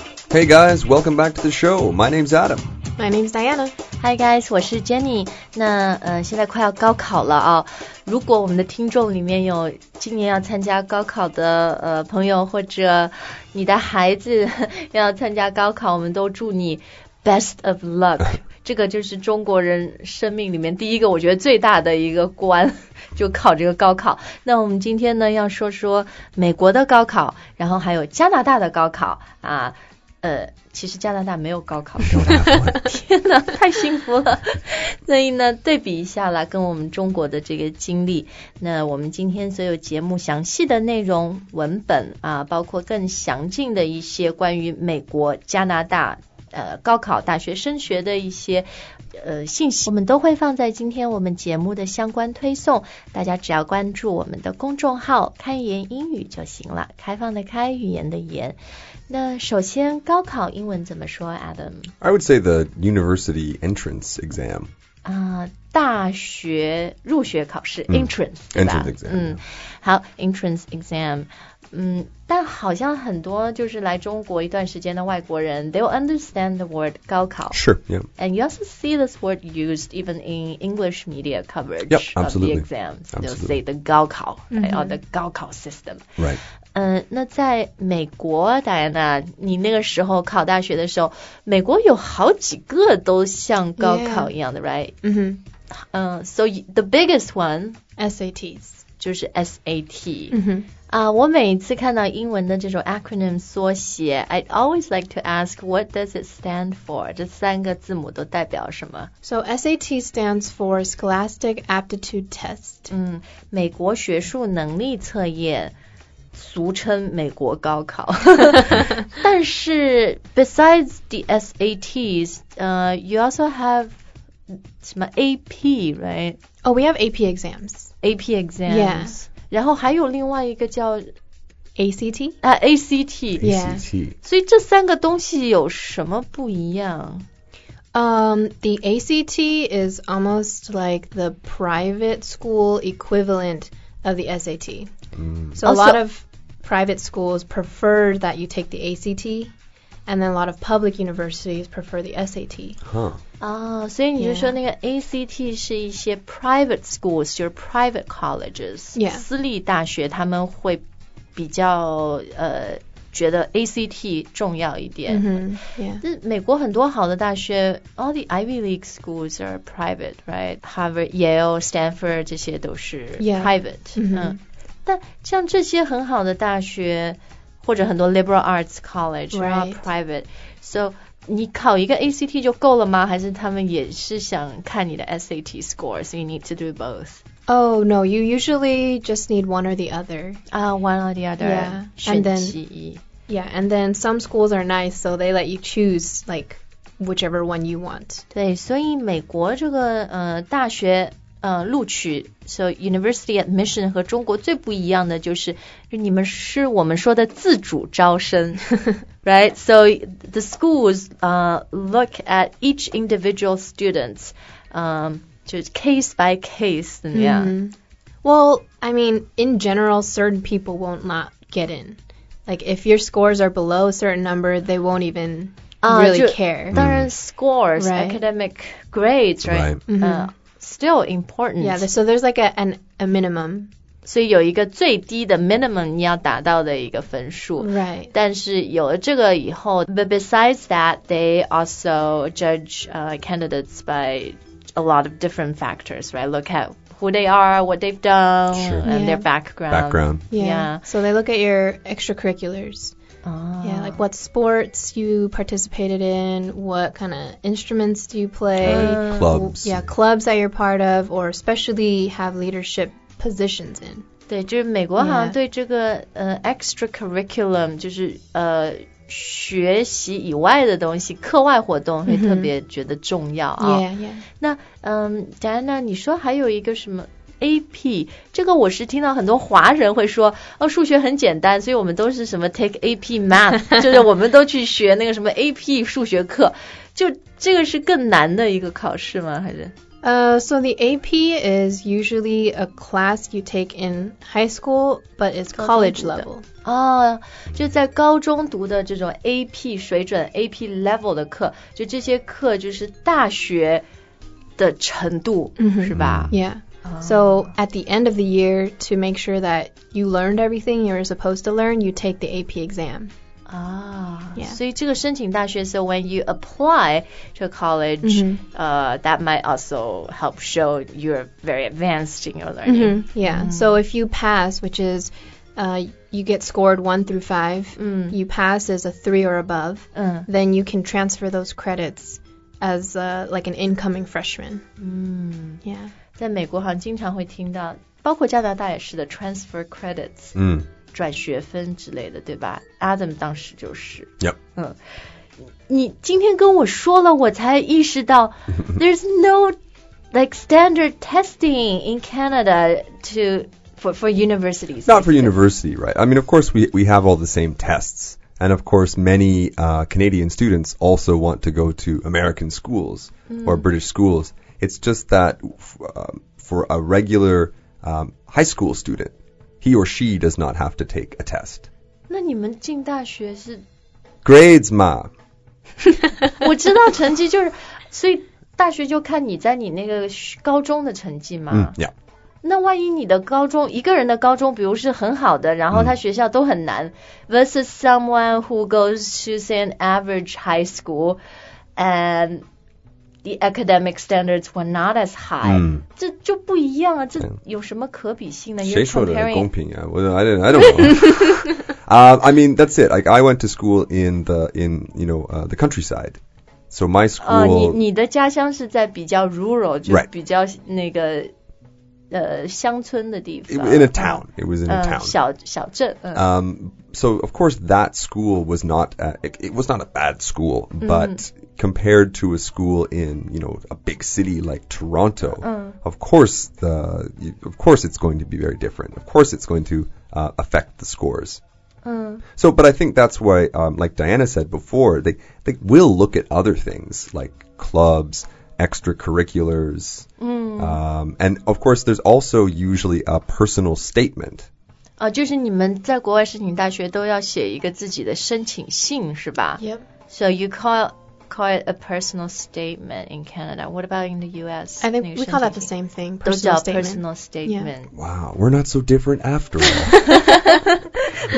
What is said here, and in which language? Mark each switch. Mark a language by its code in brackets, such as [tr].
[en] Hey guys, welcome back to the show. My name's Adam. My name's Diana. Hi guys, [zh] 我是 Jenny. 那现在快要高考了啊、哦。如果我们的听众里面有今年要参加高考的朋友，或者你的孩子要参加高考，我们都祝你 [en] best of luck. [zh] 这个就是中国人生命里面第一个我觉得最大的一个关。就考这个高考，那我们今天呢要说说美国的高考，然后还有加拿大的高考啊，其实加拿大没有高考，天哪，太幸福了。所以呢，对比一下啦，跟我们中国的这个经历，那我们今天所有节目详细的内容文本啊，包括更详尽的一些关于美国、加拿大高考大学升学的一些信息，我们都会放在今天我们节目的相关推送，大家只要关注我们的公众号开言英语就行了，开放的开，语言的言。那首先高考英文怎么说 Adam? [en] I would say the university entrance exam. [zh] 大学入学考试、entrance, 对吧 [en] entrance exam.、好 entrance exam. [zh] 但好像很多就是来中国一段时间的外国人 [en] they'll understand the word [zh] 高考 [en] Sure, yeah. And you also see this word used even in English media coverage yep, absolutely. of the exam. They'll say the 高考、right, or the 高考 system. Right. [zh] 那在美国戴安娜你那个时候考大学的时候美国有好几个都像高考一样的、 [en] yeah. right? So the biggest one SATs. [zh] 就是 SAT、 mm-hmm. 我每次看到英文的这种 acronym 缩写 [en] I always like to ask what does it stand for [zh] 这三个字母都代表什么 [en] So SAT stands for Scholastic Aptitude Test、 [zh] 美国学术能力测验俗称美国高考但是 [en] besides the SATs、you also have [zh] 什么 AP right [en] Oh we have AP exams AP exams. Yes. [zh] 然后还有另外一个叫 [en] ACT? ACT. ACT. [zh] 所以这三个东西有什么不一样? [en] The ACT is almost like the private school equivalent of the SAT.、So a lot of private schools prefer that you take the ACT. And then a lot of public universities prefer the SAT. So you said that ACT is some private schools, your private colleges. Yeah. [zh] 私立大学他们会比较觉得 ACT 重要一点。 [en] Mm-hmm. Yeah. [zh] 美国很多好的大学 [en] all the Ivy League schools are private, right? [zh] Harvard, Yale, Stanford, 这些都是 private. [en] Yeah. [zh] 但像这些很好的大学或者很多 liberal arts college [en] right. or private. [zh] So, 你考一个 ACT 就够了吗？还是他们也是想看你的 SAT score? [en] So you need to do both. Oh, no. You usually just need one or the other. One or the other. Yeah. [zh] 选其一 [en] and then, yeah. And then some schools are nice, so they let you choose, like, whichever one you want. [zh] 对，所以美国这个大学录取 [en] so university admission [zh] 和中国最不一样的就是你们是我们说的自主招生 [en] right so the schools look at each individual students [zh] 就是 [en] case by case [zh] 怎么样、 [en] well I mean in general certain people won't not get in like if your scores are below a certain number they won't evenreally care [zh] 当然 [en] scores、right. academic grades right, right.、 Still important. Yeah, so there's like a minimum. [zh] 所以有一个最低的 minimum 你要达到的一个分数。 [en] Right. [zh] 但是有了这个以后 [en] But besides that, they also judge candidates by a lot of different factors, right? Look at who they are, what they've done, sure. and their background. Background. Yeah. yeah. So they look at your extracurriculars. Yeah, like what sports you participated in, what kind of instruments do you play? Clubs. Yeah, clubs that you're part of or especially have leadership positions in. [zh] 对，就是美国好像对这个extra curriculum, 就是学习以外的东西课外活动会特别觉得重要啊。 [en] Yeah, yeah. [zh] 那Diana, 你说还有一个什么AP, 这个我是听到很多华人会说哦，数学很简单所以我们都是什么 [en] take AP math [zh] 就是我们都去学那个什么 AP 数学课就这个是更难的一个考试吗？还是？ [en] So the AP is usually a class you take in high school, but it's college level. [zh] 哦，就在高中读的这种 AP 水准 AP level 的课，就这些课就是大学的程度， mm-hmm. 是吧 [en] ？Yeah. So at the end of the year, to make sure that you learned everything you're supposed to learn, you take the AP exam. Yeah. [zh] 所以这个申请大学 [en] so when you apply to college, mm-hmm. That might also help show you're very advanced in your learning. Mm-hmm. Yeah. Mm-hmm. So if you pass, which is, you get scored 1 through 5, mm. you pass as a 3 or above, mm. then you can transfer those credits as like an incoming freshman. Mm. Yeah. [zh] 在美国好像经常会听到，包括加拿大也是的 transfer credits. 嗯。转学分之类的对吧 Adam 当时就是、 [en] yep. 嗯、 [zh] 你今天跟我说了我才意识到 [en] There's no like standard testing in Canada to, for universities Not for university, right? I mean, of course, we have all the same tests And of course, many、Canadian students also want to go to American schools、 mm. or British schools It's just that for a regular、high school studentHe or she does not have to take a test. [zh] 那你们进大学是 Grades 嘛我知道成绩就是所以大学就看你在你那个高中的成绩嘛、 [en] mm, yeah. [zh] 那万一你的高中一个人的高中比如是很好的然后他学校都很难、mm. [en] Versus someone who goes to say an average high school And the academic standards were not as high.、 Mm. [zh] 这就不一样啊，这有什么可比性呢？谁说的公平啊？ [en] 我 I don't know. 、I mean, that's it. Like, I went to school in the countryside. So my school...、 [zh] 你的家乡是在比较 rural, 就比较那个、 [en] right. [zh] 乡村的地方。 [en] In a town. It was in a town. [zh] 小镇。嗯、 [en] so, of course, that school was not... it was not a bad school, but...、 Mm. Compared to a school in, you know, a big city like Toronto,、 mm. of course it's going to be very different. Of course it's going to、affect the scores.、 Mm. So, but I think that's why,、like Diana said before, they will look at other things like clubs, extracurriculars.、 Mm. And of course, there's also usually a personal statement. [zh] 就是你们在国外申请大学都要写一个自己的申请信是吧 [en] Yep. So you call it a personal statement in Canada. What about in the U.S.? I think we call that the same thing. Personal statement. Personal statement.、 Yeah. Wow, we're not so different after all.